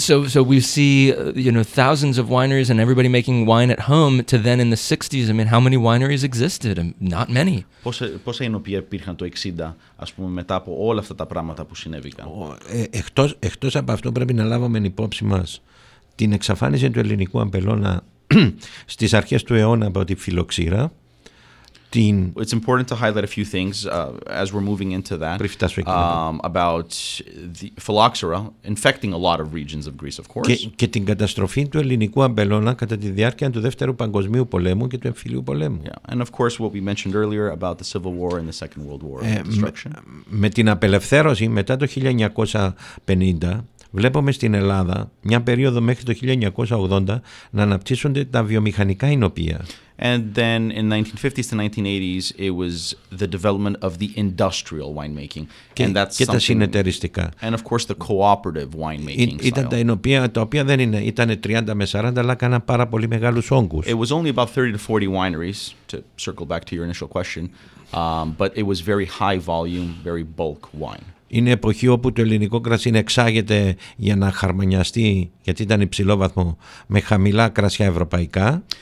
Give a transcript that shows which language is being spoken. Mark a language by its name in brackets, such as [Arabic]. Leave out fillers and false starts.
[English] So we see, you know, thousands of wineries and everybody making wine at home to then in the 60s. I mean, how many wineries existed? Not many. [Greek] Πόσα ενοπία υπήρχαν το 60, ας πούμε, μετά από όλα αυτά τα πράγματα που συνέβηκαν. Εκτός από αυτό πρέπει να λάβουμε υπόψη μας την εξαφάνιση του ελληνικού αμπελώνα στις αρχές του αιώνα από τη φιλοξήρα. [English] It's important to highlight a few things as we're moving into that about the phylloxera infecting a lot of regions of Greece, of course. [Greek] Και την καταστροφή του ελληνικού αμπελώνα κατά τη διάρκεια του Δεύτερου Παγκοσμίου Πολέμου και του Εμφυλίου Πολέμου. [English] Yeah. And of course, what we mentioned earlier about the Civil War and the Second World War destruction. [Greek] Με την απελευθέρωση μετά το 1950, βλέπουμε στην Ελλάδα μια περίοδο μέχρι το 1980 να αναπτύσσονται τα βιομηχανικά ενοπία. [English] And then in 1950s to 1980s, it was the development of the industrial winemaking. And that's something... [Greek] Και τα συνεταιριστικά. [English] And of course the cooperative winemaking style. [Greek] Ήταν τα ενοπία, τα οποία δεν είναι, ήταν 30 με 40, αλλά έκαναν πάρα πολύ μεγάλους όγκους. [English] It was only about 30 to 40 wineries, to circle back to your initial question, but it was very high volume, very bulk wine. [Greek] Είναι εποχή όπου το ελληνικό κρασί εξάγεται για να χαρμονιαστεί, γιατί ήταν υψηλό βαθμό, με χαμηλά κρασιά ευρωπαϊκά.